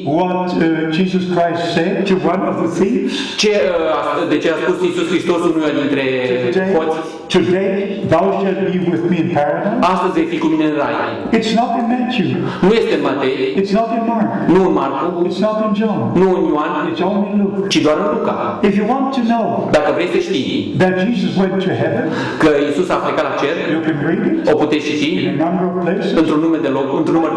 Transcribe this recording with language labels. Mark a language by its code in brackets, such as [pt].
[en] what Jesus Christ said to one of the thieves, [ro] ce a spus Iisus Hristos unuia dintre hoți, [en] today thou shalt be with me in paradise. [ro] Astăzi vei fi cu mine în rai. [en] It's not in Matthew. [ro] Nu este în Matei. [en] It's not in Mark. [ro] Nu în Marcu. [en] It's not in John. [ro] Nu în Ioan. [en] It's only in Luke. [ro] Ci doar în Luca. [en] If you want to know, [ro] dacă vrei să știi, [en] that Jesus went to heaven, [ro] că Iisus a plecat la cer, [en] you can read it, [ro] o puteți citi într-un număr de locuri.